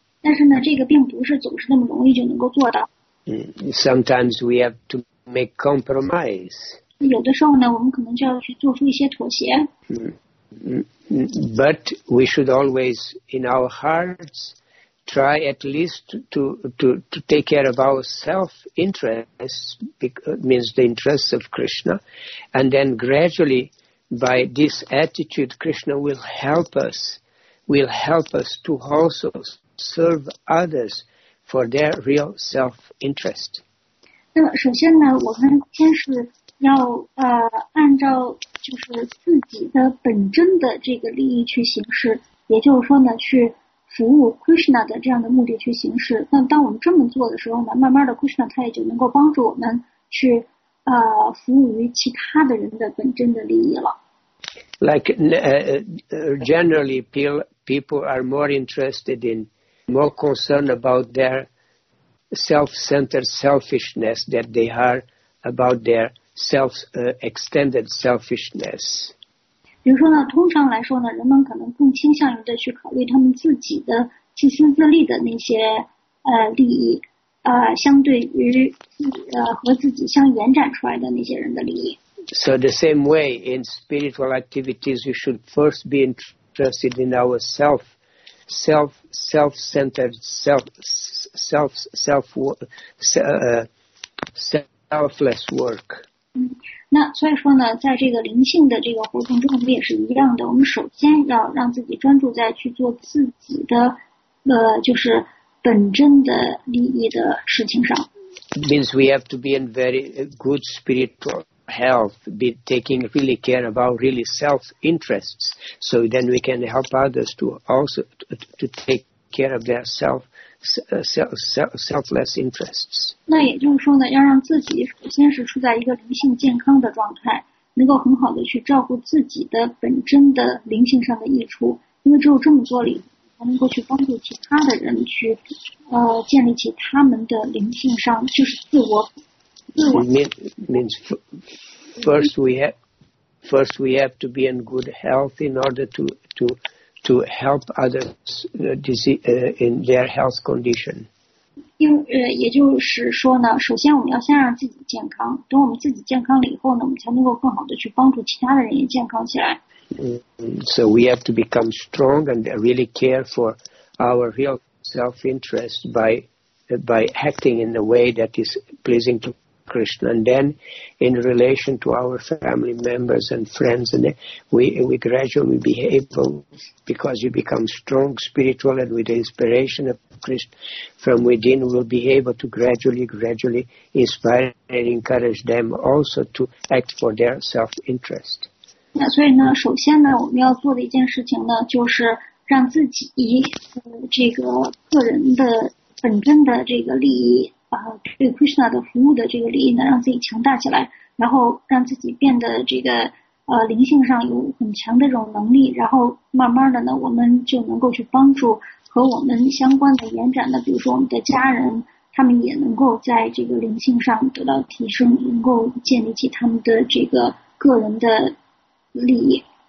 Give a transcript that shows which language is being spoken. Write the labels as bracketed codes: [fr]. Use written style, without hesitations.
[zh] 但是呢，这个并不是总是那么容易就能够做到。 [en] Sometimes we have to make compromise. [zh] 有的时候呢，我们可能就要去做出一些妥协。 [en] But we should always, in our hearts, try at least to take care of our self-interest, means the interests of Krishna, and then gradually, by this attitude, Krishna will help us to also serve others for their real self-interest. [zh] 那么首先呢，我们先是要按照就是自己的本真的这个利益去行事，也就是说呢，去服务 Krishna 的这样的目的去行事。那当我们这么做的时候呢，慢慢的 Krishna 他也就能够帮助我们去服务于其他的人的本真的利益了。 [en] Like generally people are more interested in, more concerned about their self-centered selfishness than they are about their self-extended selfishness. [zh] 比如说呢，通常来说呢，人们可能更倾向于的去考虑他们自己的自私自利的那些利益，相对于和自己相延展出来的那些人的利益。 [en] So the same way in spiritual activities, we should first be interested in our selfless work. [zh] 那所以说呢，在这个灵性的这个活动中，我们也是一样的。我们首先要让自己专注在去做自己的，就是本真的利益的事情上。 [en] Means we have to be in very good spiritual health, be taking really care about really self-interests, so then we can help others to also to take care of their selfless interests. [zh] 那也就是说呢，要让自己首先是处在一个灵性健康的状态，能够很好的去照顾自己的本真的灵性上的益处，因为只有这么做了，才能够去帮助其他的人去建立起他们的灵性上，就是自我。 [en] Means first we have to be in good health in order to help others in their health condition. [zh] 因为也就是说呢，首先我们要先让自己健康。等我们自己健康了以后呢，我们才能够更好的去帮助其他的人也健康起来。 [en] So we have to become strong and really care for our real self-interest by acting in a way that is pleasing to Krishna. And then, in relation to our family members and friends, and we gradually behave because you become strong spiritual, and with the inspiration of Krishna from within, we'll be able to gradually inspire and encourage them also to act for their self-interest. [zh] 那所以呢，首先呢，我们要做的一件事情呢，就是让自己这个个人的本真的这个利益。对 Krishna 的服务的这个利益呢，让自己强大起来，然后让自己变得这个灵性上有很强的这种能力，然后慢慢的呢，我们就能够去帮助和我们相关的延展的，比如说我们的家人，他们也能够在这个灵性上得到提升，能够建立起他们的这个个人的利益。